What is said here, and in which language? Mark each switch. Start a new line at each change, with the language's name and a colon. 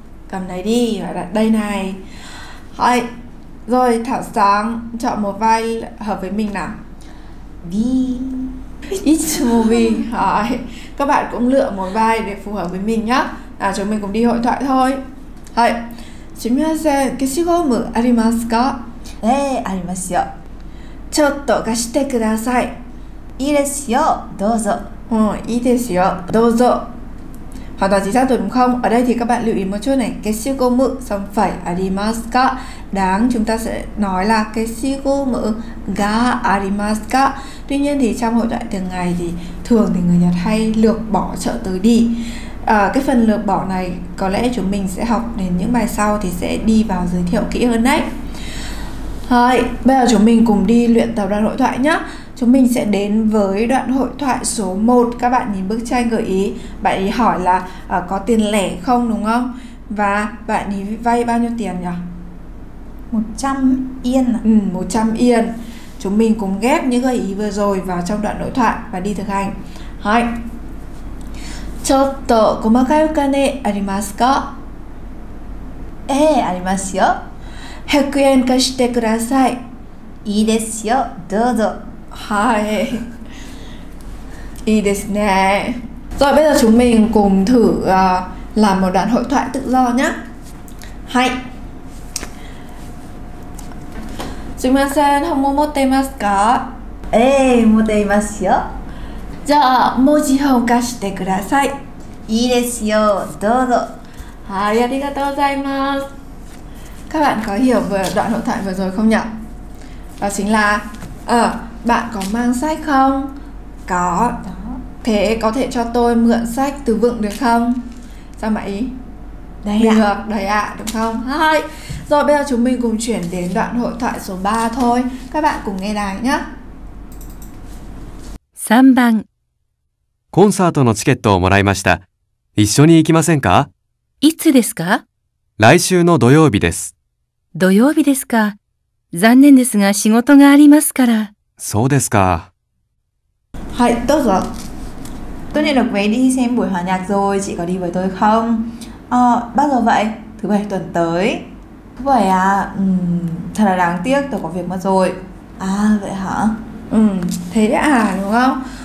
Vietnamese: Cầm đấy đi, đây này. Hai. Rồi, Thảo Sáng, chọn một vai hợp với mình nào. Vi. It's movie. Hai. Các bạn cũng lựa một vai để phù hợp với mình nhá. À, chúng mình cùng đi hội thoại thôi.
Japanese: Hai. すみません、消しゴムありますか？ええ、ありますよ。ちょっと貸してください。いいですよ、どうぞ。いいですよ、どうぞ。
Vietnamese: Hoàn toàn chính xác đúng không? Ở đây thì các bạn lưu ý một chút này. 消しゴム、không phải
Japanese: ありますか?
Vietnamese: Đáng chúng ta sẽ nói là
Japanese: 消しゴムがありますか?
Vietnamese: Tuy nhiên thì trong hội thoại thường ngày thì thường thì người Nhật hay lược bỏ trợ từ đi. Cái phần lược bỏ này có lẽ chúng mình sẽ học đến những bài sau thì sẽ đi vào giới thiệu kỹ hơn đấy. Thôi, bây giờ chúng mình cùng đi luyện tập đoạn hội thoại nhé. Chúng mình sẽ đến với đoạn hội thoại số 1. Các bạn nhìn bức tranh gợi ý. Bạn ấy hỏi là có tiền lẻ không đúng không? Và bạn ấy vay bao nhiêu tiền nhỉ? 100 yên à? Ừ, 100 yên. Chúng mình cùng ghép những gợi ý vừa rồi vào trong đoạn hội thoại và đi thực hành. Thôi.
Japanese: ちょっと細かいお金ありますか？ええ、ありますよ。 100円貸してください。いいですよ、どうぞ。はい。いいですね。
Vietnamese: Rồi bây giờ chúng mình cùng thử làm một đoạn hội thoại tự do nhé。
Japanese: はい。すみません、本も持っていますか？ええ、持っていますよ。じゃあ、文字本貸してください。いいですよ、どうぞ。はい、ありがとうございます。
Vietnamese: Các bạn có hiểu về đoạn hội thoại vừa rồi không nhỉ? Đó chính là, bạn có mang sách không? Có. Thế có thể cho tôi mượn sách từ Vựng được không? Sao mà ý? Đấy ạ. Được, đấy ạ, đúng không? Hai. Rồi, bây giờ chúng mình cùng chuyển đến đoạn hội thoại số 3 thôi. Các bạn cùng nghe đài nhé.
Japanese: 3番コンサートのチケットをもらいました。一緒に行きませんか？いつですか？来週の土曜日です。土曜日ですか。残念ですが仕事がありますから。そうですか。はい、どうぞ。
Vietnamese: Tôi nhận được vé đi xem buổi hòa nhạc rồi, chị có đi với tôi không? À, bao giờ vậy? Thứ bảy tuần tới. Thứ bảy à? Thật là đáng tiếc, tôi có việc mất rồi. À, vậy hả? Thế à, đúng không?